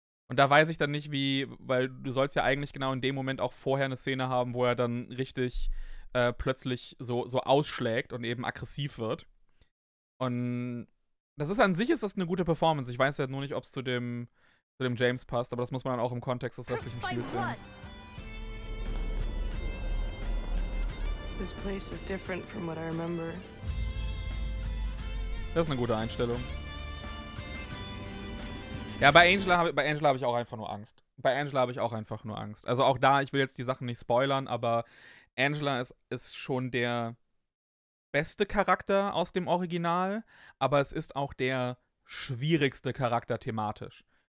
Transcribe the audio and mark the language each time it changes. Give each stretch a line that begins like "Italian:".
German: Und da weiß ich dann nicht, wie, weil du sollst ja eigentlich genau in dem Moment auch vorher eine Szene haben, wo er dann richtig plötzlich so ausschlägt und eben aggressiv wird. Und das ist an sich ist das eine gute Performance. Ich weiß ja nur nicht, ob es zu dem James passt, aber das muss man dann auch im Kontext des restlichen Spiels sehen.
English: This place is different from what I remember.
German: Das ist eine gute Einstellung. Ja, bei Angela habe ich auch einfach nur Angst. Bei Angela habe ich auch einfach nur Angst. Also auch da, ich will jetzt die Sachen nicht spoilern, aber Angela ist schon der beste Charakter aus dem Original, aber es ist auch der schwierigste Charakter thematisch.